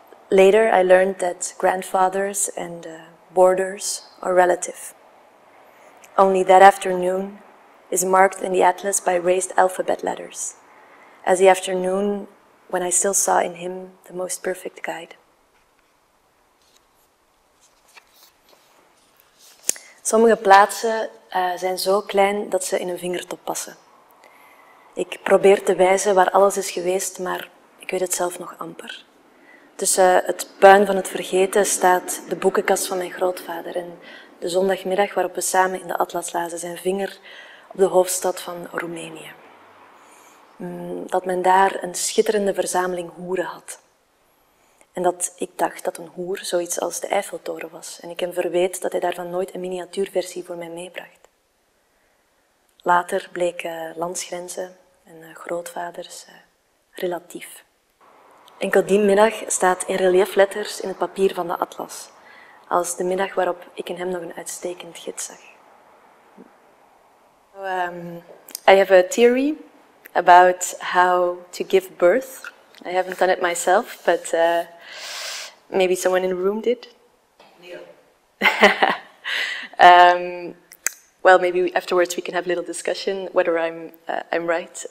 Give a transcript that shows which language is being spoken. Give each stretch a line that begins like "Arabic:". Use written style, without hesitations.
English: Later, I learned that grandfathers and borders are relative. Only that afternoon is marked in the atlas by raised alphabet letters, as the afternoon when I still saw in him the most perfect guide.
Dutch: Sommige plaatsen zijn zo klein dat ze in een vingertop passen. Ik probeer te wijzen waar alles is geweest, maar ik weet het zelf nog amper. Tussen het puin van het vergeten staat de boekenkast van mijn grootvader en de zondagmiddag waarop we samen in de atlas lazen zijn vinger op de hoofdstad van Roemenië. Dat men daar een schitterende verzameling hoeren had. En dat ik dacht dat een hoer zoiets als de Eiffeltoren was. En ik hem verweet dat hij daarvan nooit een miniatuurversie voor mij meebracht. Later bleken landsgrenzen en grootvaders relatief. Enkel die middag staat in reliefletters in het papier van de atlas. Als de middag waarop ik in hem nog een uitstekend gids zag.
English: I have a theory about how to give birth. I haven't done it myself, but maybe someone in the room did. Neil. Well, maybe afterwards we can have a little discussion whether I'm right.